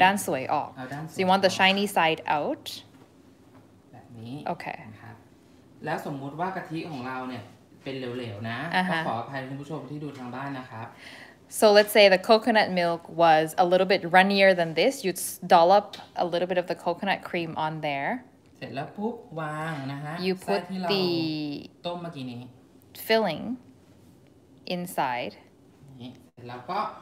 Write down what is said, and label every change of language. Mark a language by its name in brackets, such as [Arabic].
[Thai] ด้านสวยออก [English] so you want the shiny side out [Thai] แบบนี้ [English] okay [Thai] แล้วสมมุติว่ากะทิของเราเนี่ยเป็นเหลวๆนะก็ขออภัยคุณผู้ชมที่ดูทางบ้านนะครับ [English] so let's say the coconut milk was a little bit runnier than this you'd dollop a little bit of the coconut cream on there [Thai] เสร็จแล้วปุ๊บวางนะฮะ [English] you put the [Thai] ต้มเมื่อกี้นี้ [English] filling inside [Thai] เสร็จแล้วก็